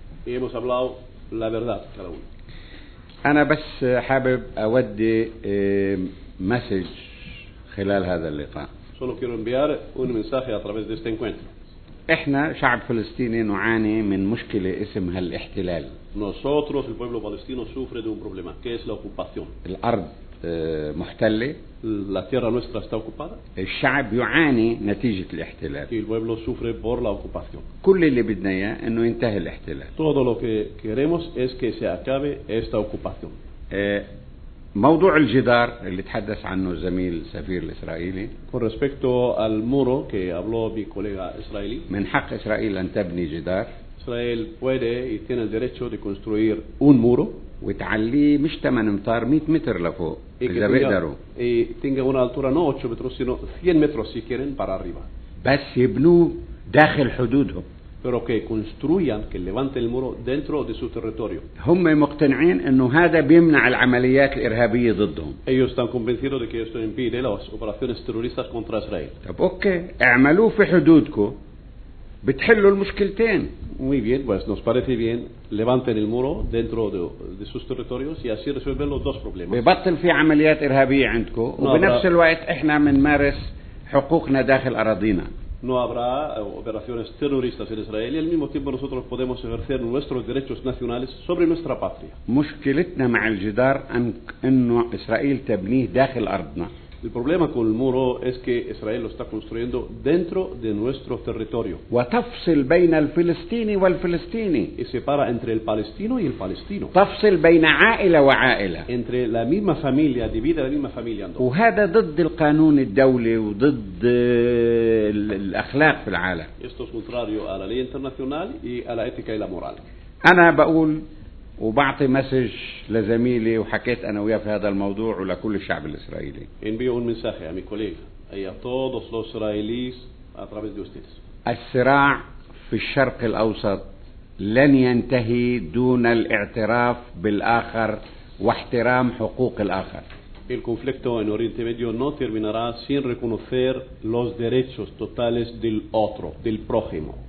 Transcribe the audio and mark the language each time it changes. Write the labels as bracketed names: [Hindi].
[Spanish] Hemos hablado la verdad cada uno. [Arabic] أنا بس حابب أودي مسج خلال هذا اللقاء. [Spanish] Solo quiero enviar un mensaje a través de este encuentro. [Arabic] إحنا شعب فلسطيني نعاني من مشكلة اسمها الاحتلال. [Spanish] Nosotros el pueblo palestino sufre de un problema que es la ocupación. [Arabic] الأرض محتلة. [Spanish] La tierra nuestra está ocupada. [Arabic] الشعب يعاني نتيجة الاحتلال. [Spanish] El pueblo sufre por la ocupación. [Arabic] كل اللي بدنا إياه إنه ينتهي الاحتلال. [Spanish] Todo lo que queremos es que se acabe esta ocupación. [Arabic] موضوع الجدار اللي تحدث عنه زميل سفير الإسرائيلي. [Spanish] Con respecto al muro que habló mi colega israelí. [Arabic] من حق إسرائيل أن تبني جدار. [Spanish] Israel puede y tiene el derecho de construir un muro. [Arabic] وتعليه مش 8 امتار 100 متر لفوق اذا بيقدروا [Spanish] اي tenga una altura no 8 metros sino 100 metros si quieren para arriba [Arabic] بس يبنوا داخل حدودهم [Spanish] pero que construyan que levanten el muro dentro de su territorio [Arabic] هم مقتنعين انه هذا بيمنع العمليات الارهابيه ضدهم [Spanish] ellos están convencidos de que esto impide las operaciones terroristas contra Israel [Arabic] طب اوكي اعملوه في حدودكم بتحلوا المشكلتين [Spanish] Muy bien, pues nos parece bien, levanten el muro dentro de sus territorios y así resuelven los dos problemas. [Arabic] ببطل في عمليات إرهابية عندكم وبنفس الوقت احنا بنمارس حقوقنا داخل أراضينا. [Spanish] No habrá operaciones terroristas en Israel y al mismo tiempo nosotros podemos ejercer nuestros derechos nacionales sobre nuestra patria. [Arabic] مشكلتنا مع الجدار انه إسرائيل تبنيه داخل أرضنا. [Spanish] El problema con el muro es que Israel lo está construyendo dentro de nuestro territorio. [Arabic] وتفصل بين الفلسطيني والفلسطيني. [Spanish] Y separa entre el palestino y el palestino. [Arabic] تفصل بين عائلة وعائلة. [Spanish] Entre la misma familia, divide la misma familia. [Arabic] وهذا ضد القانون الدولي وضد الأخلاق في العالم. [Spanish] Esto es contrario a la ley internacional y a la ética y la moral. [Arabic] أنا بقول وبعطي مسج لزميلي وحكيت أنا وياه في هذا الموضوع ولكل الشعب الإسرائيلي. [Spanish] Envío un mensaje a mi colega y a todos los israelíes a través de ustedes. [Arabic] الصراع في الشرق الأوسط لن ينتهي دون الاعتراف بالآخر واحترام حقوق الآخر. [Spanish] El conflicto en Oriente Medio no terminará sin reconocer los derechos totales del otro, del prójimo.